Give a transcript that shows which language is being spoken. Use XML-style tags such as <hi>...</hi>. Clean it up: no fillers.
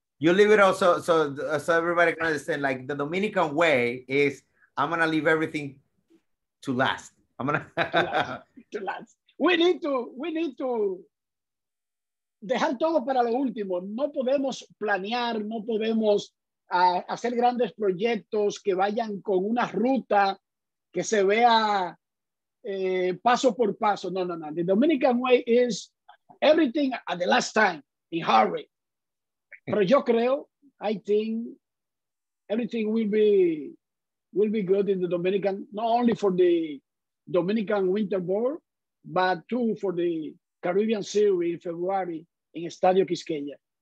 <en>You leave it all so everybody can understand, like the Dominican way is I'm gonna leave everything to last. I'm gonna to last. We need to</en> <es>dejar todo para lo último. No podemos planear, no podemos hacer grandes proyectos que vayan con una ruta que se vea paso por paso. No.</es> <en>The Dominican way is everything at the last time in hurry.</en> <es>Pero yo creo,</es> <en>I think everything will be good in the Dominican, not only for the Dominican Winter Ball, but too for the Caribbean Series in February in Estadio Quisqueya.</en>